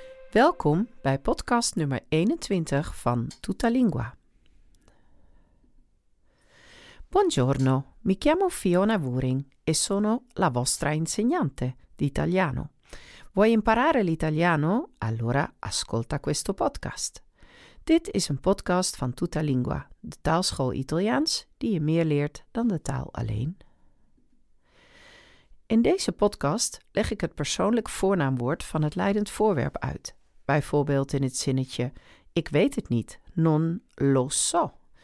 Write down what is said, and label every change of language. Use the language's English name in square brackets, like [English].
[Dutch] Welkom bij podcast nummer 21 van Tuttalingua. [Italian] Buongiorno, mi chiamo Fiona Wuring e sono la vostra insegnante di italiano. Vuoi imparare l'italiano? Allora ascolta questo podcast. [Dutch] Dit is een podcast van Tuttalingua, de taalschool Italiaans die je meer leert dan de taal alleen. In deze podcast leg ik het persoonlijk voornaamwoord van het leidend voorwerp uit. Bijvoorbeeld in het zinnetje, ik weet het niet, [Italian] non lo so.